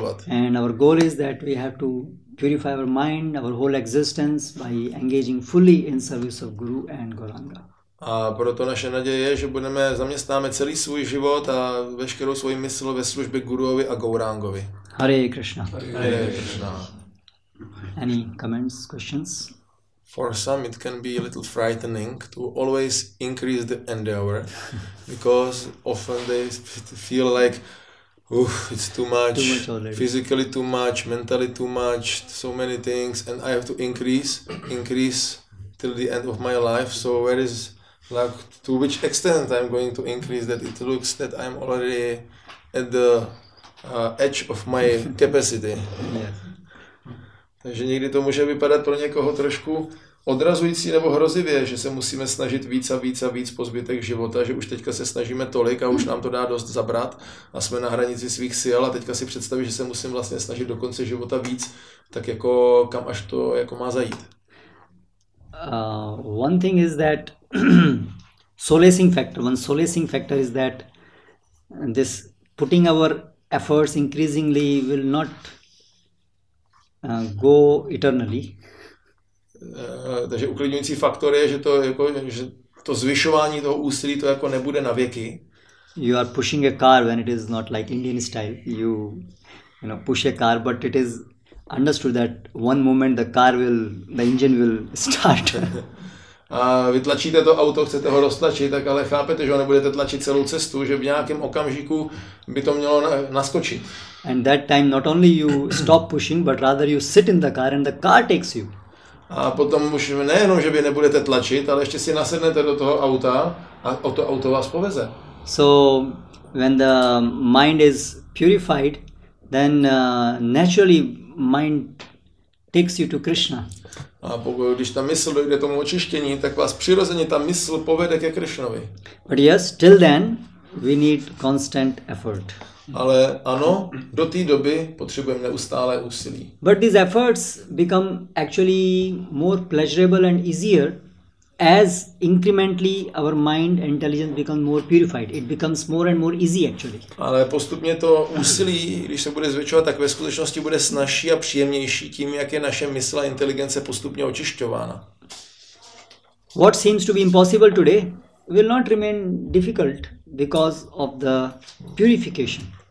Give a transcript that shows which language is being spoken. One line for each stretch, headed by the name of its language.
English: And our goal is that we have to purify our mind, our whole existence by engaging fully in service of Guru and Gauranga.
Czech: A proto naše naděje je, že budeme zaměstnáme celý svůj život a veškerou svou mysl ve službě Guruovi a Gaurangovi.
Sanskrit: Hare Krishna. Hare Krishna.
English: Any comments, questions? For some it can be a little frightening to always increase the endeavor because often they feel like, oof, it's too much already. Physically too much, mentally too much, so many things, and I have to increase till the end of my life. So where is, like, to which extent I'm going to increase, that it looks that I'm already at the edge of my capacity. Yeah.
Czech: Takže někdy to může vypadat pro někoho trošku odrazující nebo hrozivě, že se musíme snažit víc a víc a víc po zbytek života, že už teďka se snažíme tolik a už nám to dá dost zabrat a jsme na hranici svých sil a teďka si představí, že se musím vlastně snažit do konce života víc, tak jako kam až to jako má zajít.
English: One thing is that solacing factor is that this putting our efforts increasingly will not go eternally.
Czech: Takže uklidňující faktor je, že to jako, že to zvyšování toho úsilí to jako nebude na věky.
English: You are pushing a car when it is not like Indian style. You push a car, but it is understood that one moment the engine will start.
Czech: A vytlačíte to auto, chcete ho roztlačit, tak ale chápete, že ho nebudete tlačit celou cestu, že v nějakém okamžiku by to mělo naskočit.
English: And that time not only you stop pushing, but rather you sit in the car and the car takes you.
Czech: A potom už nejenom, že by nebudete tlačit, ale ještě si nasednete do toho auta a o to auto vás poveze.
English: So when the mind is purified, then naturally mind takes you to Krishna.
Czech: A pokud, když ta mysl dojde tomu očištění, tak vás přirozeně ta mysl povede ke Krishnovi.
English: But yes, till then we need constant effort.
Czech: Ale ano, do té doby potřebujeme neustálé úsilí.
English: But these efforts become actually more pleasurable and easier as incrementally our mind and intelligence become more purified, it becomes more and more easy actually.
Czech: Ale postupně to úsilí, když se bude zvětšovat, tak ve skutečnosti bude snazší a příjemnější tím, jak je naše mysl a inteligence postupně očišťována.
English: What seems to be impossible today will not remain difficult because of the purification.